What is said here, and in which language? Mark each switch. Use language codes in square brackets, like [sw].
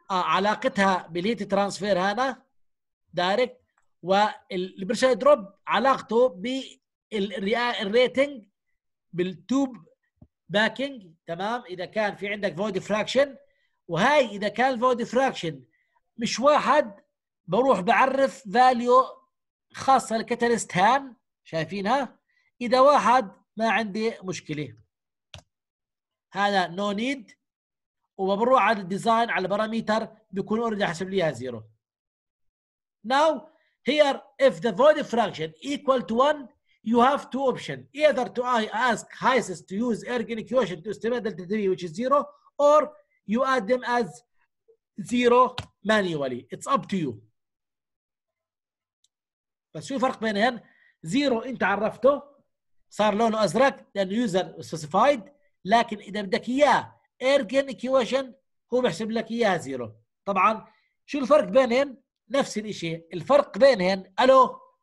[ar] علاقتها بالهيت ترانسفير هنا دايركت، والبرشر دروب علاقته بالريتنج بالتوب باكينج، تمام؟ اذا كان في عندك فويد فراكشن، وهي اذا كان فويد فراكشن مش واحد، بروح بعرف فاليو خاصة الكاتاليست هان، شايفينها؟ إذا واحد ما عندي مشكلة، هذا [en] no need، [ar] وبروح على الديزاين على البراميتر بيكون أريد أحسب ليها زيرو. [en] Now here if the void fraction equal to one you have two options, either to I ask Hysis to use ergin equation to estimate delta D which is zero, or you add them as zero manually, it's up to you. [ar] بس شو الفرق بينهن؟ زيرو انت عرفته صار لونه ازرق لانه يوزر سبيسيفايد، لكن اذا بدك اياه ايرجن ايكويشن هو بحسب لك اياه زيرو. طبعا شو الفرق بينهن؟ نفس الاشي. الفرق بينهن الو